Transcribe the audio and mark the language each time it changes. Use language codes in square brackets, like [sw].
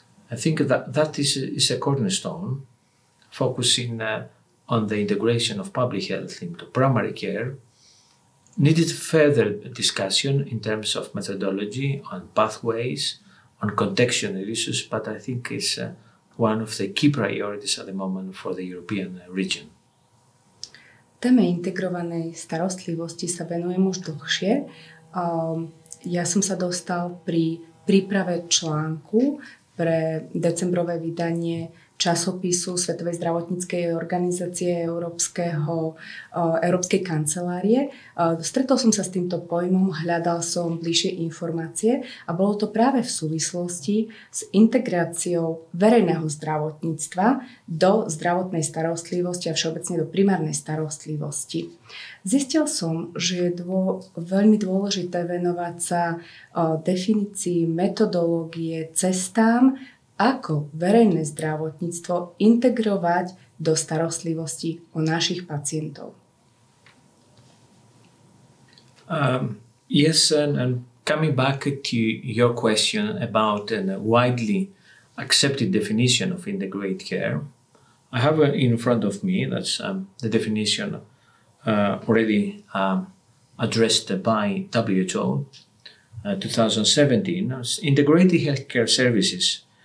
[en] I think that is a cornerstone, focusing on the integration of public health into primary care. Needed further discussion in terms of methodology, on pathways, on contextual issues, but I think it's one of the key priorities at the moment for the European region. [sk] Téme integrovanej starostlivosti sa venujem už dlhšie. Ja som sa dostal pri príprave článku pre decembrové vydanie časopisu Svetovej zdravotníckej organizácie Európskej kancelárie. Stretol som sa s týmto pojmom, hľadal som bližšie informácie a bolo to práve v súvislosti s integráciou verejného zdravotníctva do zdravotnej starostlivosti a všeobecne do primárnej starostlivosti. Zistil som, že je veľmi dôležité venovať sa definícii, metodológie, cestám, ako verejné zdravotníctvo integrovať do starostlivosti o našich pacientov. [en] Yes, and coming back to your question about a widely accepted definition of integrated care, I have in front of me, that's the definition already addressed by WHO 2017, integrated healthcare services.